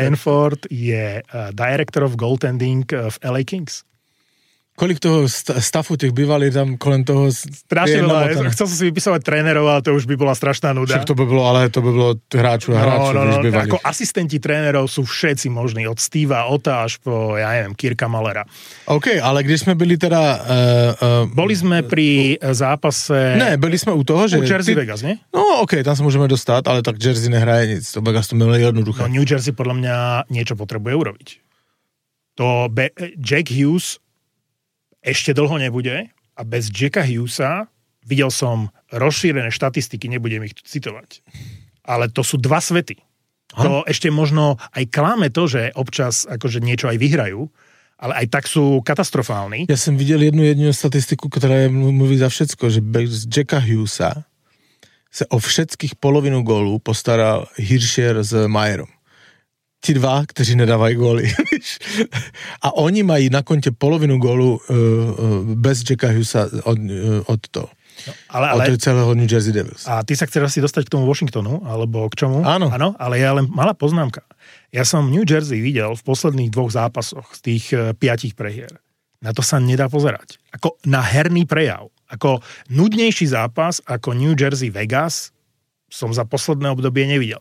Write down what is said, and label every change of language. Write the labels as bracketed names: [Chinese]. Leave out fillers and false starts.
[Slovak] Renford je [English] director of goaltending [Slovak] v LA Kings. [Czech] Kolik toho stafu tých bývali tam kolem toho... [Slovak] Strašne veľa, chcel som si vypisovať trénerov, ale to už by bola strašná nuda. Však to by bolo, ale to by bolo hráčov. Ako asistenti trénerov sú všetci možní, od Steve'a Ota až po, ja neviem, Kirka Malera. [Czech] OK, ale kde sme byli teda... [Slovak] Boli sme pri zápase... [Czech] Ne, byli sme u toho, že... [Slovak] U Jersey Vegas, nie? No, OK, tam sa môžeme dostať, ale tak [Czech] Jersey nehraje nic. To Vegas to bylo jednoduché. [Slovak] No, New Jersey podľa mňa niečo potrebuje urobiť. To Jack Hughes ešte dlho nebude a bez Jacka Hughesa, videl som rozšírené štatistiky, nebudem ich tu citovať, ale to sú dva svety. Aha. To ešte možno aj kláme to, že občas akože niečo aj vyhrajú, ale aj tak sú katastrofálni. Ja som videl jednu statistiku, ktorá mluví za všetko, že bez Jacka Hughesa sa o všetkých polovinu gólu postaral Hirscher s Mayerom. [Czech] Ti dva, kteří nedávají góly. A oni mají na kontě polovinu gólu bez Jacka Hughesa od toho. [Slovak] Ale od celého New Jersey Devils. A ty sa chceš asi dostať k tomu Washingtonu, alebo k čomu? Áno. Áno, ale ja len malá poznámka. Ja som New Jersey videl v posledných dvoch zápasoch z tých piatich prehier. Na to sa nedá pozerať. Ako na herný prejav. Ako nudnejší zápas ako New Jersey Vegas som za posledné obdobie nevidel.